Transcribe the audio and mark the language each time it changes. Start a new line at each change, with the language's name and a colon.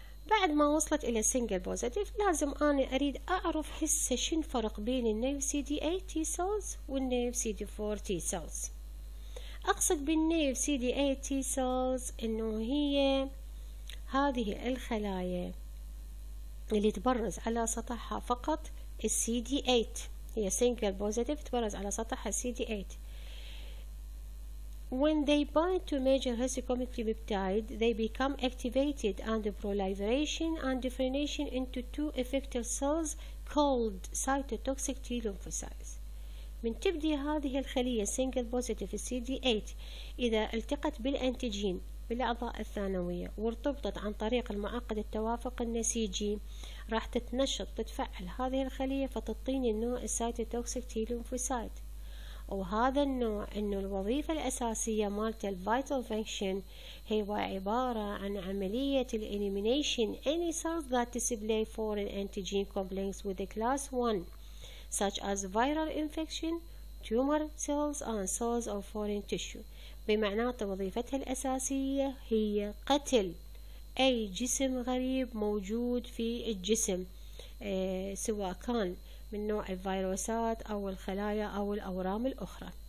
Arabic: بعد ما وصلت الى
English: single positive
Arabic: لازم انا اريد اعرف هسه شن فرق بين النيو سي دي 8 تي سيلز والنيو سي دي 4 تي سيلز. اقصد بالنيو سي دي 8 تي سيلز انه هي هذه الخلايا اللي تبرز على سطحها فقط السي دي 8، هي
English: single positive
Arabic: تبرز على سطحها السي دي 8.
English: When they bind to major histocompatible peptide, they become activated and proliferation and differentiation into two effector cells called cytotoxic T lymphocytes.
Arabic: من تبدي هذه الخلية
English: single positive CD8
Arabic: إذا التقت بالأنتيجين بالأعضاء الثانوية وارتبطت عن طريق المعقد التوافق النسيجي راح تتنشط تتفعل هذه الخلية فتعطيني النوع cytotoxic T lymphocyte. وهذا النوع انه الوظيفة الاساسية مالت الفيتال فانكشن هي عبارة عن عملية الانيمينيشن
English: any cells that display foreign antigen complex with a class 1 such as viral infection, tumor cells and cells of foreign tissue.
Arabic: بمعنى وظيفتها الاساسية هي قتل اي جسم غريب موجود في الجسم سواء كان من نوع الفيروسات أو الخلايا أو الأورام الأخرى.